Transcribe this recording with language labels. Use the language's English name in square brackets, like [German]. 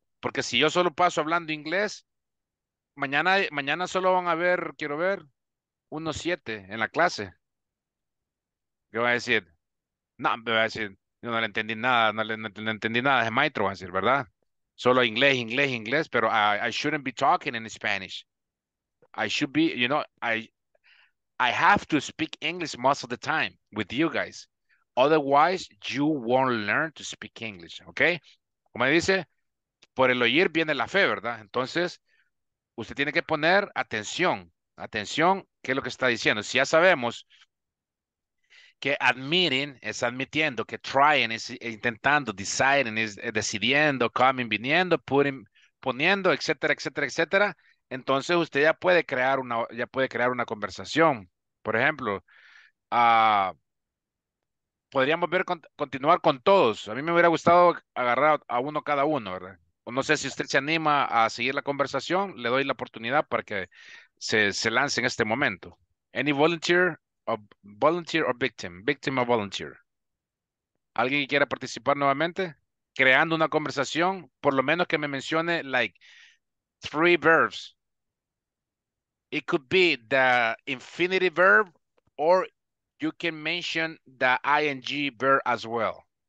[Spanish] Porque si yo solo paso hablando inglés, mañana solo van a ver, quiero ver, unos 7 en la clase. ¿Qué va a decir? No, me va a decir, yo no le entendí nada, no entendí nada, es maestro, va a decir, ¿verdad? Solo inglés, inglés, inglés, pero [English] I shouldn't be talking in Spanish. I should be, you know, I have to speak English most of the time with you guys. Otherwise, you won't learn to speak English, okay? [Spanish] Como dice, por el oír viene la fe, ¿verdad? Entonces, usted tiene que poner atención, atención, ¿qué es lo que está diciendo? Si ya sabemos que admitting es admitiendo, que trying es intentando, deciding es decidiendo, coming, viniendo, putting, poniendo, etcétera, etcétera, etcétera, entonces usted ya puede crear una, ya puede crear una conversación. Por ejemplo, podríamos ver continuar con todos. A mí me hubiera gustado agarrar a uno cada uno, ¿verdad? No sé si usted se anima a seguir la conversación, le doy la oportunidad para que se lance en este momento. [English] Any volunteer? A volunteer or victim? Victim or volunteer? [Spanish] ¿Alguien que quiera participar nuevamente? Creando una conversación, por lo menos que me mencione, [English] like, 3 verbs. It could be the infinitive verb, or you can mention the ing verb as well.